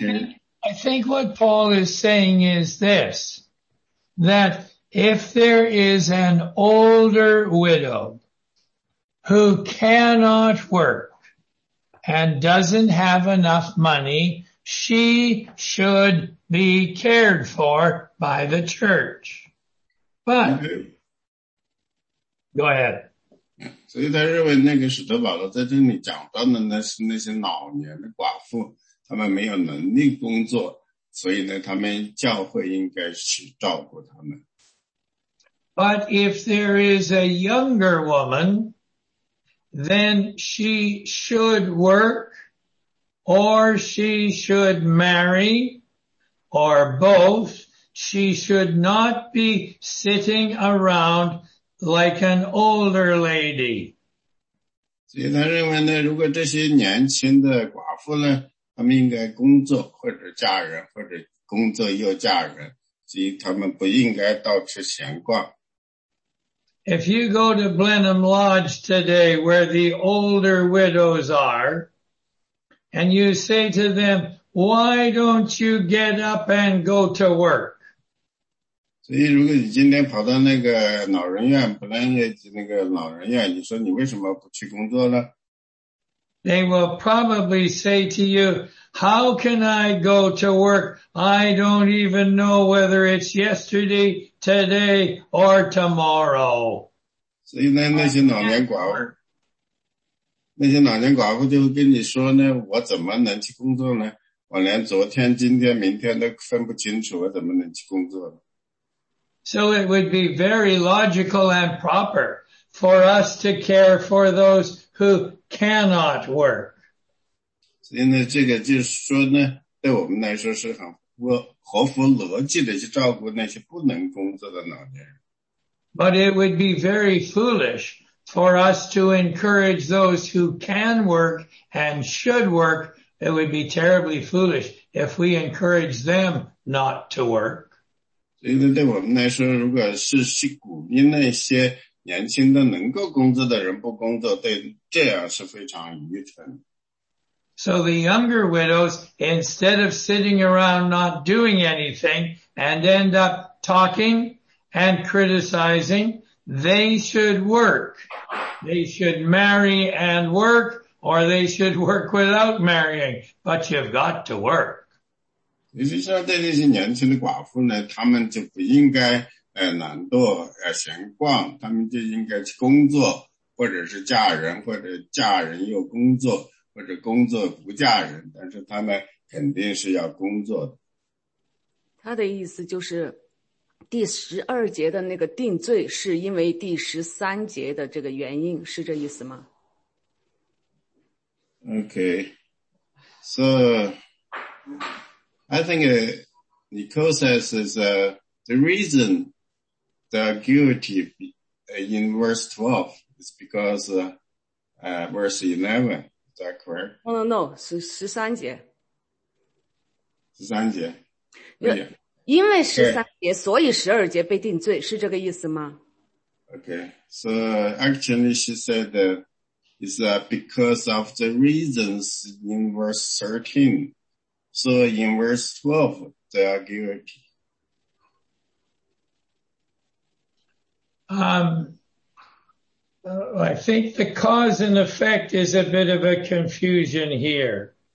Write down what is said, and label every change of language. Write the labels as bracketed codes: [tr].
[en] no, I think what Paul is saying is this, that if there is an older widow who cannot work and doesn't have enough money, she should be cared for by the church. But, go ahead. [zh] 所以他认为那个使徒保罗在这里讲到的呢是那些老年的寡妇，他们没有能力工作，所以呢他们教会应该去照顾他们。 [en] But if there is a younger woman, then she should work, or she should marry, or both. She should not be sitting around like an older lady. [zh] 所以他认为呢，如果这些年轻的寡妇呢，他们应该工作或者嫁人，或者工作又嫁人，所以他们不应该到处闲逛。 [en] If you go to Blenheim Lodge today where the older widows are, and you say to them, why don't you get up and go to work? [zh] 所以如果你今天跑到那个老人院 Blenheim 那个老人院，你说你为什么不去工作呢？ [en] They will probably say to you, how can I go to work? I don't even know whether it's yesterday, today, or tomorrow. [zh] 所以呢，那些老年寡妇就跟你说呢，我怎么能去工作呢？我连昨天、今天、明天都分不清楚，我怎么能去工作呢？ [en] So it would be very logical and proper for us to care for those who cannot work. [zh] 所以呢，这个就是说呢，对我们来说是很合乎逻辑的去照顾那些不能工作的老年人。 [en] But it would be very foolish for us to encourage those who can work and should work. It would be terribly foolish if we encourage them not to work. [zh] 所以呢，对我们来说，如果是去鼓励那些年轻的能够工作的人不工作，对，这样是非常愚蠢。 [en] So the younger widows, instead of sitting around not doing anything and end up talking and criticizing, they should work. They should marry and work, or they should work without marrying. But you've got to work. [zh] 实际上对那些年轻的寡妇呢，他们就不应该懒惰闲逛，他们就应该去工作，或者是嫁人，或者嫁人又工作。或者工作不嫁人，但是他们肯定是要工作的。他的意思就是第十二节的那个定罪是因为第十三节的这个原因，是这意思吗？ [en] Okay. So, I think Nicole says is the reason they are guilty in verse 12 is because verse 11. Is that correct? [zh] No, 13节。 13节。因为13节，所以12节被定罪，是这个意思吗？ [en] Okay, so actually she said that it's because of the reasons in verse 13. So in verse 12, they are guilty. I think the cause and effect is a bit of a confusion here.